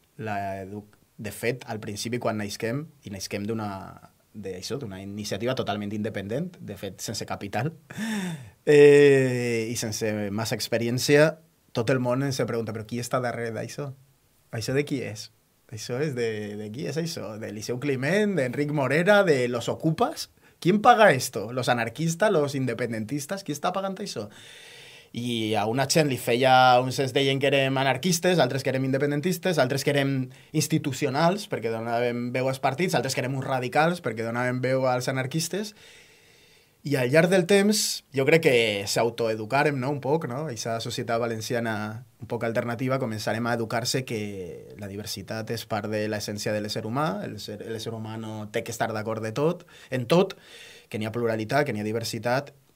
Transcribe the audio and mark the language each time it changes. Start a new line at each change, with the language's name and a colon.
Catalan: De fet, al principi, quan naixquem, i naixquem d'una iniciativa totalment independent, de fet, sense capital, i sense massa experiència, tot el món ens pregunta, però qui està darrere d'això? Això de qui és? Això és de qui és això?
Spanish: De Liceu Climent, d'Enric Morera, de los Ocupas? ¿Quién paga esto? ¿Los anarquistas, los independentistas?
Catalan: ¿Qui està pagant això? I a una gent li feia, uns es deien que érem anarquistes, altres que érem independentistes, altres que érem institucionals perquè donàvem veu als partits, altres que érem uns radicals perquè donàvem veu als anarquistes. I al llarg del temps jo crec que s'autoeducarem, no?, un poc, no?, aquesta societat valenciana un poc alternativa, començarem a educar-se que la diversitat és part de l'essència de l'ésser humà, l'ésser humà no té que estar d'acord de tot, en tot, que n'hi ha pluralitat, que n'hi ha diversitat,